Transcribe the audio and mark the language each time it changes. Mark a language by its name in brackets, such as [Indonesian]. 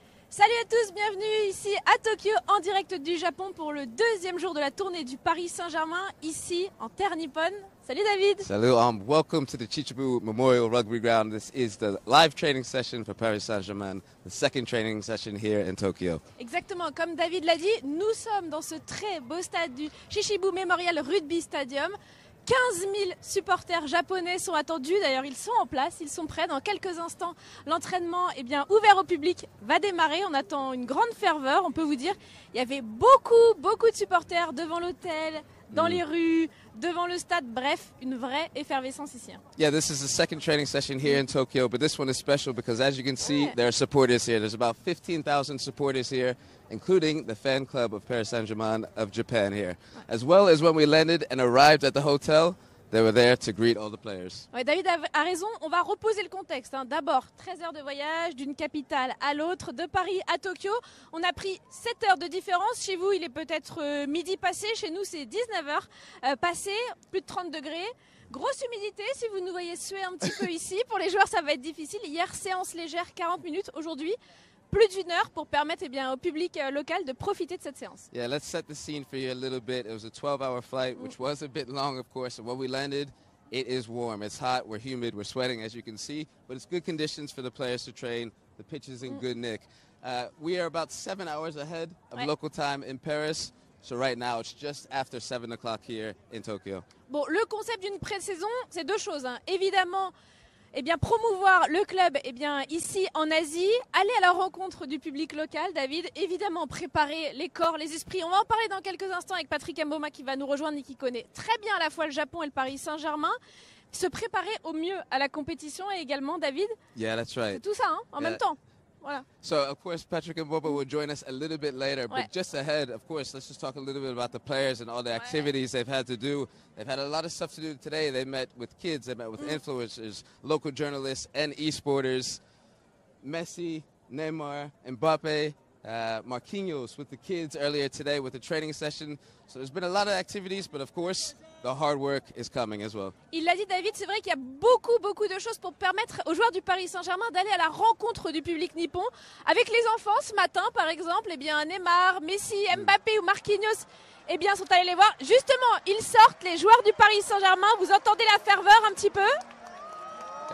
[French] Salut à tous, bienvenue ici à Tokyo en direct du Japon pour le deuxième jour de la tournée du Paris Saint-Germain ici en terre nippone. Salut David. Salut, [English] welcome to the Chichibu Memorial Rugby Ground. This is the live training session for Paris Saint-Germain, the second training session here in Tokyo. [French] Exactement, comme David l'a dit, nous sommes dans ce très beau stade du Chichibu Memorial Rugby Stadium. 15 000 supporters japonais sont attendus, d'ailleurs ils sont en place, ils sont prêts. Dans quelques instants, l'entraînement eh bien, ouvert au public va démarrer. On attend une grande ferveur, on peut vous dire. Il y avait beaucoup de supporters devant l'hôtel, dans les rues, devant le stade, bref, une vraie effervescence ici. [English] Yeah, this is the second training session here in Tokyo, but this one is special because as you can see, there are supporters here. There's about 15,000 supporters here, including the fan club of Paris Saint-Germain of Japan here. As well as when we landed and arrived at the hotel, they were there to greet all the players. [French] Ouais, David a raison, on va reposer le contexte. Hein. D'abord, 13 heures de voyage d'une capitale à l'autre, de Paris à Tokyo. On a pris 7 heures de différence. Chez vous, il est peut-être midi passé. Chez nous, c'est 19 heures passé, plus de 30 degrés. Grosse humidité, si vous nous voyez suer un petit peu ici. Pour les joueurs, ça va être difficile. Hier, séance légère, 40 minutes. Aujourd'hui, plus d'une heure pour permettre eh bien, au public local de profiter de cette séance. [English] Yeah, let's set the scene for you a little bit. It was a 12-hour flight, which was a bit long, of course. And when we landed, it is warm. It's hot, we're humid, we're sweating, as you can see. But it's good conditions for the players to train. The pitch is in good nick. We are about 7 hours ahead of local time in Paris. So right now, it's just after 7 o'clock here in Tokyo. [French] Bon, le concept d'une pré-saison, c'est deux choses. Hein. Évidemment, eh bien, promouvoir le club eh bien, ici en Asie, aller à la rencontre du public local, David, évidemment préparer les corps, les esprits. On va en parler dans quelques instants avec Patrick Amboma qui va nous rejoindre et qui connaît très bien à la fois le Japon et le Paris Saint-Germain. Se préparer au mieux à la compétition et également, David, [English] yeah, that's right. [French] C'est tout ça hein, en même temps. Voilà. [English] So of course Patrick and Boba will join us a little bit later, but just ahead, of course, let's just talk a little bit about the players and all the activities they've had to do. They've had a lot of stuff to do today. They met with kids, they met with influencers, local journalists and esporters. Messi, Neymar, Mbappe, Marquinhos with the kids earlier today with the training session. So there's been a lot of activities, but of course the hard work is coming as well. [French] Il l'a dit David, c'est vrai qu'il y a beaucoup beaucoup de choses pour permettre aux joueurs du Paris Saint-Germain d'aller à la rencontre du public nippon. Avec les enfants ce matin par exemple, eh bien Neymar, Messi, Mbappé ou Marquinhos, eh bien sont allés les voir. Justement, ils sortent, les joueurs du Paris Saint-Germain, vous entendez la ferveur un petit peu?